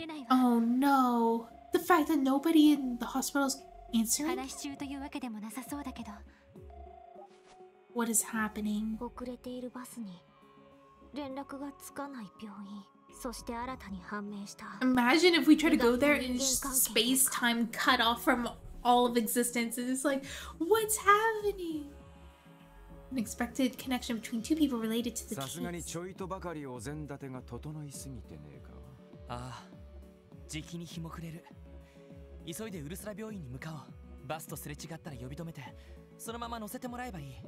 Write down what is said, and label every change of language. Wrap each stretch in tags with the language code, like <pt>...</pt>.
<en>Oh no! The fact that nobody in the hospital is answering?</en> <ja>話し中というわけでもなさそうだけど。</ja> <en>What is happening?</en> <ja>遅れているバスに連絡がつかない病院、そして新たに判明した。</ja> <en>Imagine if we try to go there and space time cut off from all of existence. It's like, what's happening? Unexpected connection between two people related to the case.</en> <ja>さすがにちょいとばかりお膳立てが整いすぎてねえか。ああ。時期に日も暮れる。急いでウルスラ病院に向かおう。バスとすれ違ったら呼び止めて、そのまま乗せてもらえばいい。</ja>